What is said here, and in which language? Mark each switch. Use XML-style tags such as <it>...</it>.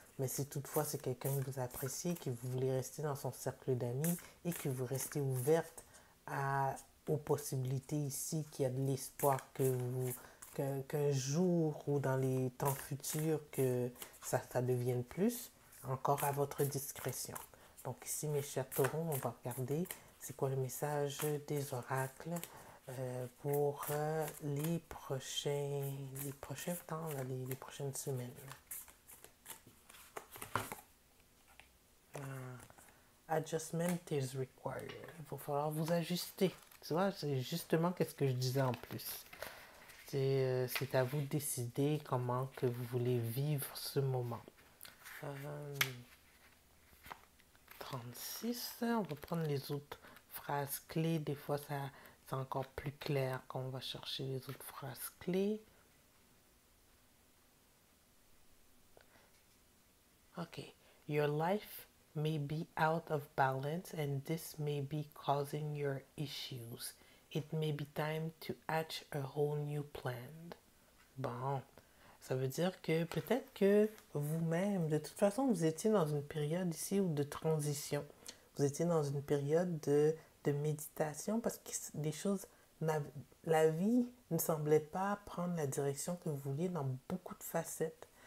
<fr>Mais si toutefois c'est quelqu'un que vous appréciez, que vous voulez rester dans son cercle d'amis et que vous restez ouverte aux possibilités ici, qu'il y a de l'espoir qu'un jour ou dans les temps futurs, que ça devienne plus, encore à votre discrétion. Donc ici, mes chers taureaux, on va regarder c'est quoi le message des oracles pour les prochains temps, là, les prochaines semaines.</fr> <en>Adjustment is required.</en> <fr>Il va falloir vous ajuster. Tu vois, c'est justement ce que je disais en plus. C'est à vous de décider comment que vous voulez vivre ce moment. 36, on va prendre les autres phrases clés. Des fois, ça, c'est encore plus clair quand on va chercher les autres phrases clés. OK.</fr> <en>Your life may be out of balance and this may be causing your issues. It may be time to hatch a whole new plan.</en> <fr>Bon, ça veut dire que peut-être que vous-même, de toute façon, vous étiez dans une période ici de transition. Vous étiez dans une période de méditation parce que des choses, la vie ne semblait pas prendre la direction que vous vouliez dans beaucoup de facettes.</fr>